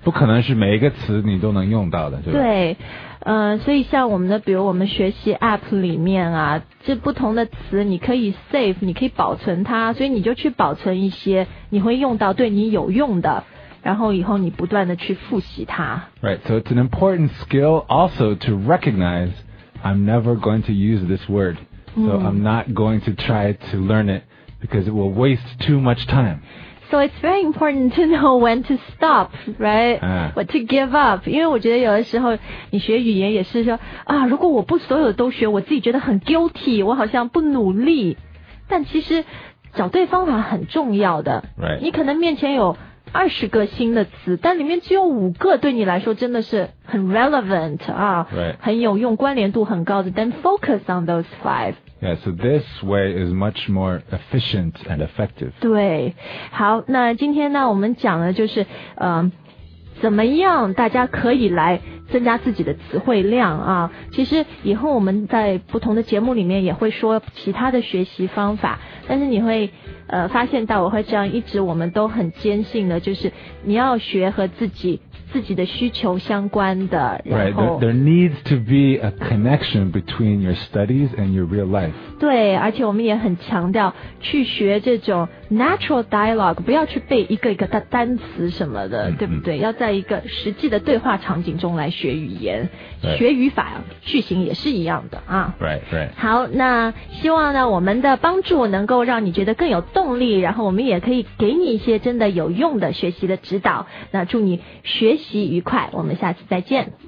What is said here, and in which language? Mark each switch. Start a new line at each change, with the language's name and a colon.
Chinese: 不可能是每一个词你都能用到的对所以像我们的比如我们学习 APP 里面啊这不同的词你可以 save 你可以保存它所以你就去保存一些你会用到对你有用的然后以后你不断的去复习它
English: Right, so it's an important skill also to recognize I'm never going to use this word So I'm not going to try to learn it because it will waste too much time So it's very important to know when to stop, right?、But to give up.
Chinese: 因为我觉得有的时候你学语言也是说啊，如果我不所有的都学，我自己觉得很 guilty, 我好像不努力。但其实找对方法很重要的。
English: Right.
Chinese: 你可能面前有20个新的词，但里面只有5个对你来说真的是很 relevant 啊、
English: right.
Chinese: 很有用，关联度很高的。
English: Then focus on those 5. Yeah, so this way is much more efficient and effective.
Chinese: 对，好，那今天呢，我们讲的就是，怎么样大家可以来增加自己的词汇量啊？其实以后我们在不同的节目里面也会说其他的学习方法，但是你会发现到我会这样一直我们都很坚信的，就是你要学和自己的需求相关的。
English: Right, there needs to be a connection between your studies and your real life.
Chinese: 对，而且我们也很强调去学这种 natural dialogue， 不要去背一个一个的单词什么的， mm-hmm. 对不对？要在一个实际的对话场景中来学语言，
English: right.
Chinese: 学语法、句型也是一样的啊。
English: Right, right.
Chinese: 好，那希望呢，我们的帮助能够让你觉得更有动力，然后我们也可以给你一些真的有用的学习的指导。那祝你学习愉快，我们下次再见。